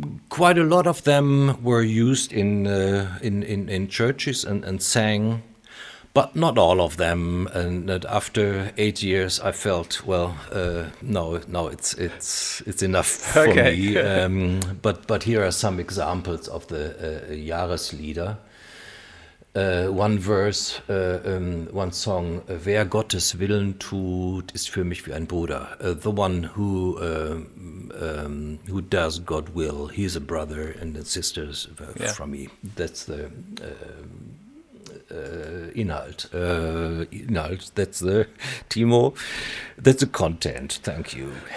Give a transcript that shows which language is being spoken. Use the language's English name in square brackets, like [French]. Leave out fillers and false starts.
[English] Quite a lot of them were used in churches and sang. But not all of them, and after 8 years, I felt no, it's enough for me. But here are some examples of the Jahreslieder. One verse, one song: [German] Wer Gottes Willen tut, ist für mich wie ein Bruder. [English] The one who does God's will, he is a brother and a sister for me. That's the Inhalt. Inhalt, that's the Timo. That's the content. Thank you.